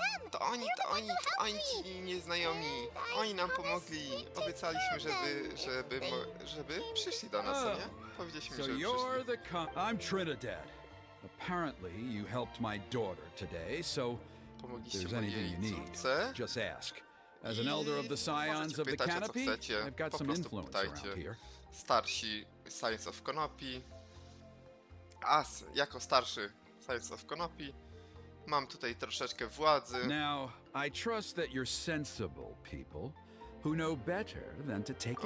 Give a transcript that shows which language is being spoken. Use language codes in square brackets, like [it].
[pl] To oni, to oni, to oni ci nieznajomi. Oni nam pomogli. Obiecaliśmy, żeby przyszli do nas, nie? Powiedzieliśmy, żeby przyszli. [en] I'm Trinidad. Apparently you helped my daughter today, so if there's anything you need, just ask. As an elder of the Scions of the Canopy, I've got some influence around here. [pl] Starsi Scions of Canopy. As, jako starszy Scions of Canopy, mam tutaj troszeczkę władzy. [en] Now, I trust that you're sensible people who know better than to take